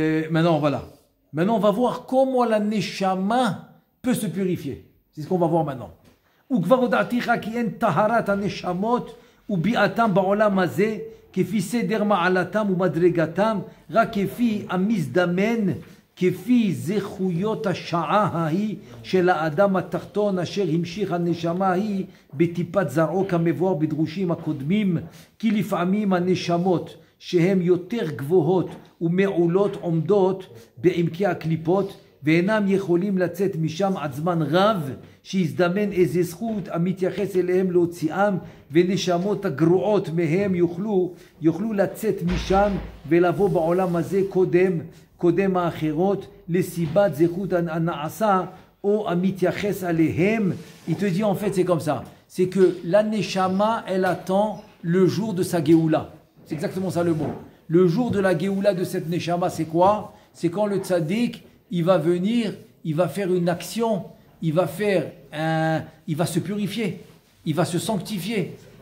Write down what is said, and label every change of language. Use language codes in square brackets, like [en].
[fr] Maintenant, on va voir comment la Neshama peut se purifier. C'est ce qu'on va voir maintenant. [he] Ou kvar odaticha ki en taharat haneshamot ou bi'atam ba'olam hazeh. כפי סדר מעלתם ומדרגתם, רק כפי המזדמן, כפי זכויות השעה ההיא של האדם התחתון אשר המשיך הנשמה ההיא בטיפת זרעו כמבואר בדרושים הקודמים, כי לפעמים הנשמות שהן יותר גבוהות ומעולות עומדות בעמקי הקליפות, ואינם יכולים לצאת משם עד זמן רב, שיזדמן איזה זכות המתייחס אליהם להוציאם, ונשמות הגרועות מהם יוכלו לצאת משם ולבוא בעולם הזה קודם האחרות, לסיבת זכות הנעשה או המתייחס אליהם. [fr] Il te dit, en fait, c'est comme ça. C'est que la neshama, elle attend le jour de sa geoula. C'est exactement ça le mot. Le jour de la geoula de cette neshama, c'est quoi? C'est quand le tzaddik, il va venir, il va faire une action, il va se purifier, il va se sanctifier.